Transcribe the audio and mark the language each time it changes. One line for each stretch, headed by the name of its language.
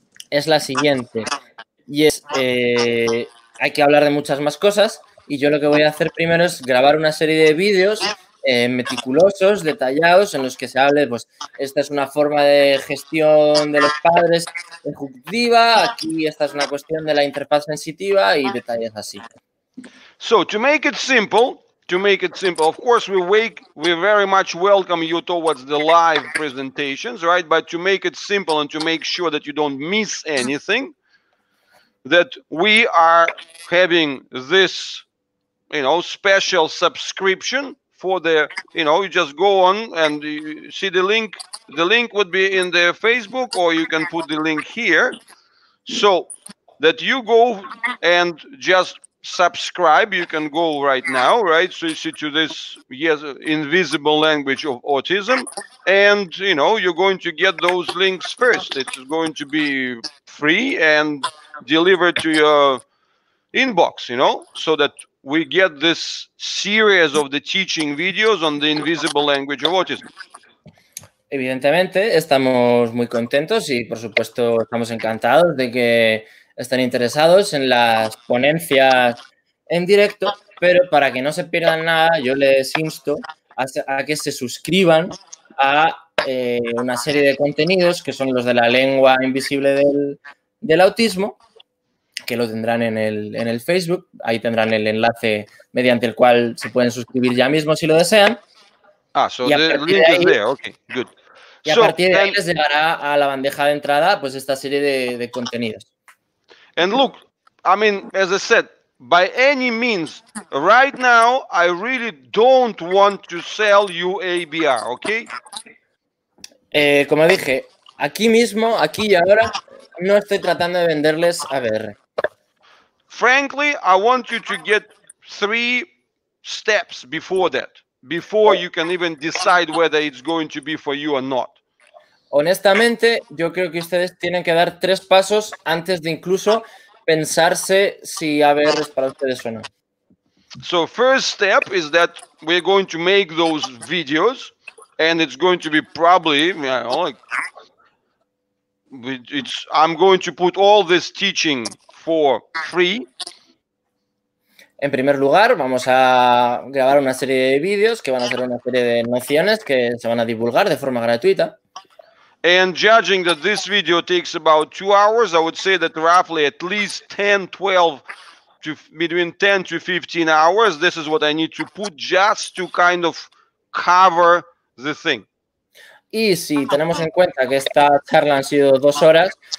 Spanish: es la siguiente, y es, hay que hablar de muchas más cosas, y yo lo que voy a hacer primero es grabar una serie de vídeos meticulosos, detallados, en los que se hable, pues, esta es una forma de gestión de los padres ejecutiva, aquí esta es una cuestión de la interfaz sensitiva, y detalles así.
English: So, to make it simple, of course, we very much welcome you towards the live presentations, right? But to make it simple and to make sure that you don't miss anything, that we are having this, you know, special subscription for the, you know, you just go on and see the link. The link would be in the Facebook, or you can put the link here. So that you go and just subscribe, you can go right now, right? So you see to this, yes, invisible language of autism, and you know, you're going to get those links first. It's going to be free and delivered to your inbox, you know, so that we get this series of the teaching videos on the invisible language of autism.
Spanish: Evidentemente, estamos muy contentos y por supuesto estamos encantados de que están interesados en las ponencias en directo, pero para que no se pierdan nada, yo les insto a que se suscriban a una serie de contenidos que son los de la lengua invisible del autismo, que lo tendrán en el Facebook. Ahí tendrán el enlace mediante el cual se pueden suscribir ya mismo si lo desean.
English: Ah, so the link is there, okay, good.
Spanish: Y a partir de ahí les llegará a la bandeja de entrada pues esta serie de contenidos.
English: And look, I mean, as I said, by any means, right now, I really don't want to sell you ABR, okay?
Spanish: Como dije, aquí mismo, aquí y ahora, no estoy tratando de venderles ABR.
English: Frankly, I want you to get 3 steps before that, before you can even decide whether it's going to be for you or not.
Spanish: Honestamente, yo creo que ustedes tienen que dar 3 pasos antes de incluso pensarse si ABR es para ustedes o no.
English: So first step is that we're going to make those videos, and it's going to be probably, you know, like, I'm going to put all this teaching for free.
Spanish: En primer lugar, vamos a grabar una serie de videos que van a ser una serie de nociones que se van a divulgar de forma gratuita.
English: And judging that this video takes about 2 hours, I would say that roughly at least 10 to 15 hours, this is what I need to put just to kind of cover the thing.
Spanish: Y si tenemos en cuenta que esta charla han sido 2 horas,